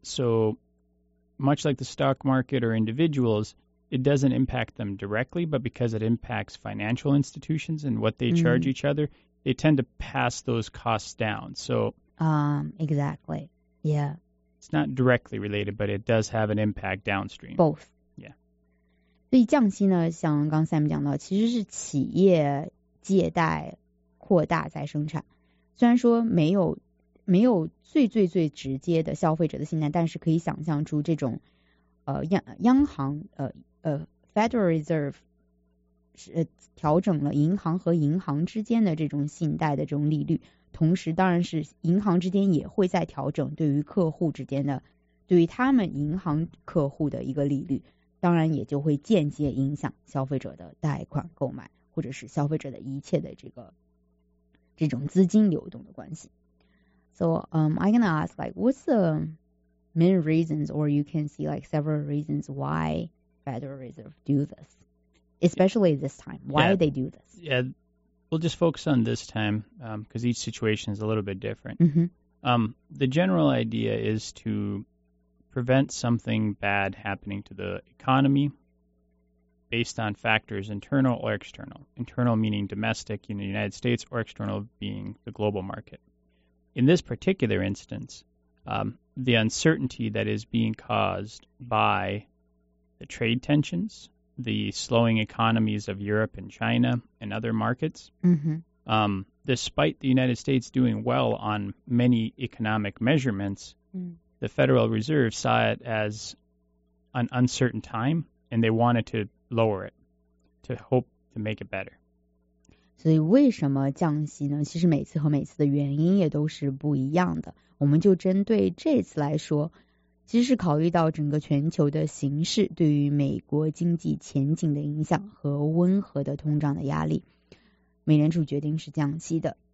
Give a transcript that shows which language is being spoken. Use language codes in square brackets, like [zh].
[en] So much like the stock market or individuals, it doesn't impact them directly, but because it impacts financial institutions and what they charge each other, they tend to pass those costs down. So, exactly. Yeah. It's not directly related, but it does have an impact downstream. Both. Yeah. [zh] 所以降息呢，像刚Sam讲到，其实是企业借贷扩大再生产，虽然说没有最最最直接的消费者的信贷，但是可以想象出这种央行Federal Reserve 是调整了银行和银行之间的这种信贷的这种利率，同时当然是银行之间也会在调整对于客户之间的，对于他们银行客户的一个利率，当然也就会间接影响消费者的贷款购买，或者是消费者的一切的这种资金流动的关系。 [en] So, I'm gonna ask, like, what's the main reasons, or you can see, like, several reasons why Federal Reserve do this, especially this time? Why do they do this? Yeah, we'll just focus on this time, because each situation is a little bit different. Mm-hmm. The general idea is to prevent something bad happening to the economy based on factors internal or external. Internal meaning domestic in the United States, or external being the global market. In this particular instance, the uncertainty that is being caused by the trade tensions, the slowing economies of Europe and China and other markets, mm-hmm. Despite the United States doing well on many economic measurements, the Federal Reserve saw it as an uncertain time, and they wanted to lower it to hope to make it better. [zh] 所以为什么降息呢？其实每次和每次的原因也都是不一样的。我们就针对这次来说，其实是考虑到整个全球的形势对于美国经济前景的影响和温和的通胀的压力，美联储决定是降息的。